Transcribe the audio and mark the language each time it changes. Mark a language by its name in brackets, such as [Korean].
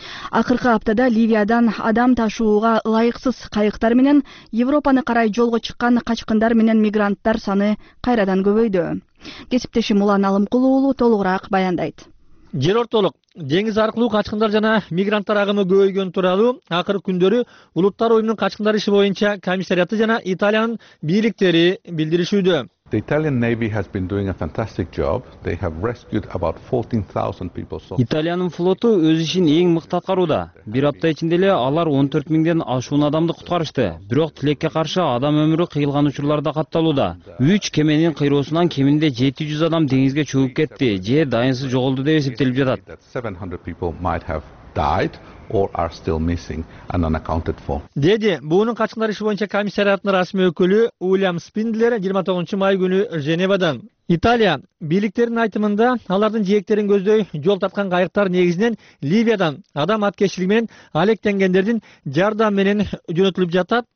[Kyrgyz] Акыркы аптада Ливиядан адам ташууга ылайыксыз кайыктар менен Европаны карай жолго чыккан качкындар менен мигранттар саны кайрадан көбөйдү. Кесиптешим Улан Алымкулу уулу толугураак баяндайт. Жер ортолук деңиз аркылуу качкындар жана мигранттар агымы көбөйгөнү тууралуу акыркы күндөрү Улуттар уюмунун качкындар иши боюнча комиссариаты жана Италиянын бийликтери билдиришүүдө. [English] The Italian Navy has been doing a fantastic job. They have rescued about 14,000 people. [Kyrgyz] Италиянын флоту өз ишин эң мыкты аткарууда. Бир апта ичинде эле алар 14,000 ашуун адамды куткарышты. Бирок тилекке каршы адам өмүрү кыйылган учурлар да катталууда. 3 кеменин кыйроосунан кеминде 700 адам деңизге чөгүп кетти же дайынсыз жоголду деп эсептелип жатат. [English] 700 people might have died or are still missing and unaccounted for. [Kyrgyz] Деди буунун качкындар иши боюнча комиссариатынын расмий өкүлү Уильям Спиндлер 29 май күнү Женевадан. Италия бийликтеринин айтымында алардын жээктерин көздөй жол тарткан кайыктар негизинен Ливиядан адам аткечилиги менен алектенгендердин жардам менен жөнөтүлүп жатат.